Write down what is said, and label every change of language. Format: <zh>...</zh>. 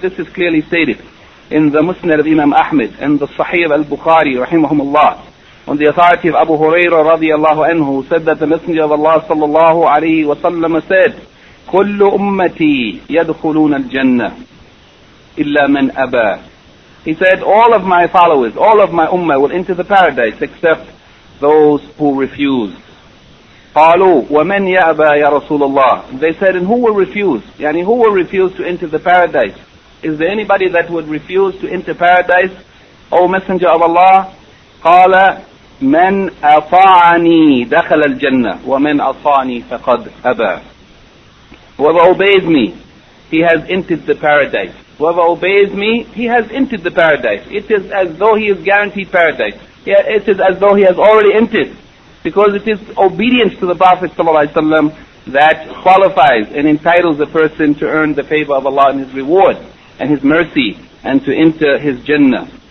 <en>This is clearly stated in the Musnad of Imam Ahmad and the Sahih al-Bukhari rahimahumullah, on the authority of Abu Hurairah radiyallahu anhu, who said that the Messenger of Allah sallallahu alayhi wasallam said,</en> <ar>"Kullu ummati yadkhulun al-jannah illa man aba."</ar> <en>He said, all of my followers, all of my ummah will enter the paradise except those who refuse.</en> <ar>قالوا ومن يأبى يا رسول الله.</ar> <en>They said, and who will refuse? Yani who will refuse to enter the paradise? Is there anybody that would refuse to enter paradise, O Messenger of Allah?</en> <ar>قال من أطاعني دخل الجنة ومن أطاعني فقد أبى.</ar> <en>Whoever obeys me, he has entered the paradise. Whoever obeys me, he has entered the paradise. It is as though he is guaranteed paradise. Yeah, it is as though he has already entered. Because it is obedience to the Prophet ﷺ that qualifies and entitles a person to earn the favor of Allah and his reward and his mercy and to enter his Jannah.</en>